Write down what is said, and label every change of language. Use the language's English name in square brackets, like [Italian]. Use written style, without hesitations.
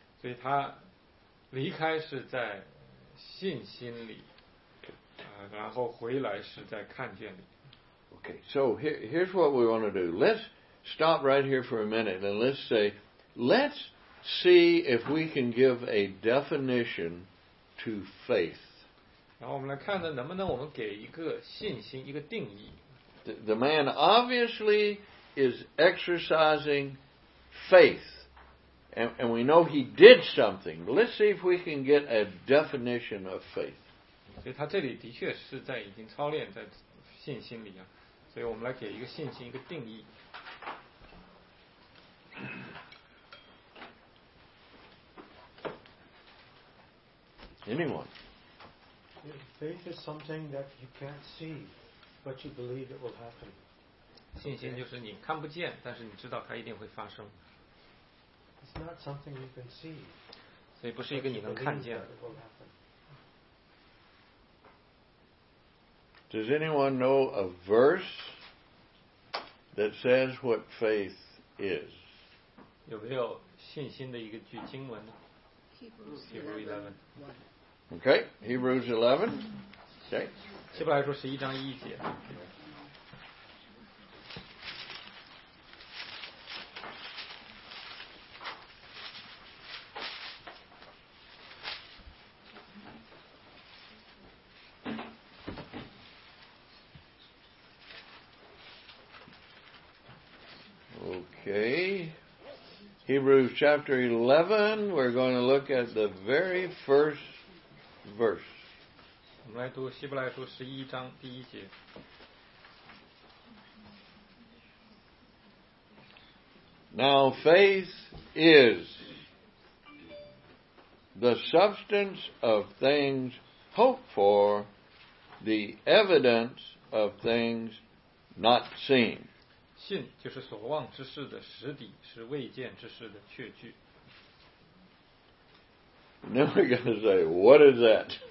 [Chinese] 所以他离开是在信心里，然后回来是在看见里。 [English] Okay, so here's what we want to do. Let's stop right here for a minute and let's say, let's see if we can give a definition to faith. [Chinese] 然后我们来看呢，能不能我们给一个信心，一个定义。 [English] The man obviously is exercising faith, and we know he did something. Let's see if we can get a definition of faith. [Chinese] 所以他这里的确是在已经操练在信心里啊，所以我们来给一个信心，一个定义。 [English] Anyone? Faith is something that you can't see, but you believe it will happen. [Chinese] 信心就是你看不见，但是你知道它一定会发生。 [English] It's not something you can see. [Chinese] 所以不是一个你能看见。 [English] Does anyone know a verse that says what faith is? [Chinese] 有没有信心的一个句经文呢？ [English] Hebrews 11. Okay, Hebrews 11. Okay. [Chinese] 希伯来书十一章一节。 [English] Okay. Hebrews chapter 11. We're going to look at the very first. Verse. [Chinese] 我们来读希伯来书十一章第一节。 [English] Now faith is the substance of things hoped for, the evidence of things not seen. [Chinese] 信就是所望之事的实底，是未见之事的确据。 [English] Now we're going to say, what is that?